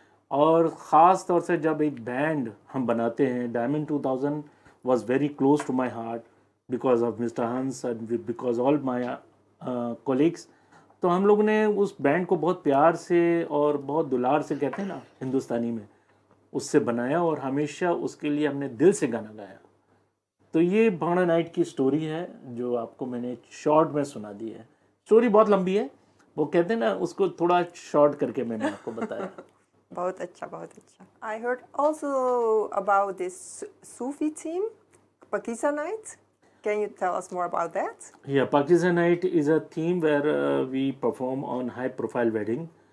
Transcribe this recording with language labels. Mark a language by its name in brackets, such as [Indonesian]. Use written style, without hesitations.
[Hindi] और ख़ास तौर से जब एक बैंड हम बनाते हैं diamond 2000 [English] was very close to my heart because of Mr. Hans and because all my colleagues. [Hindi] तो हम लोग ने उस बैंड को बहुत प्यार से और बहुत दुलार से, कहते हैं ना हिंदुस्तानी में, उससे बनाया और हमेशा उसके लिए हमने दिल से गाना गाया. तो ये भाड़ा नाइट की स्टोरी है जो आपको मैंने शॉर्ट में सुना दी है. स्टोरी बहुत लंबी है, वो कहते हैं ना उसको थोड़ा शॉर्ट करके मैंने आपको बताया. बहुत अच्छा, बहुत अच्छा. [English] I heard also about this Sufi theme Pakeezah night. Can you tell us more about that? Yeah, Pakiza Night is a theme where we perform on high profile wedding.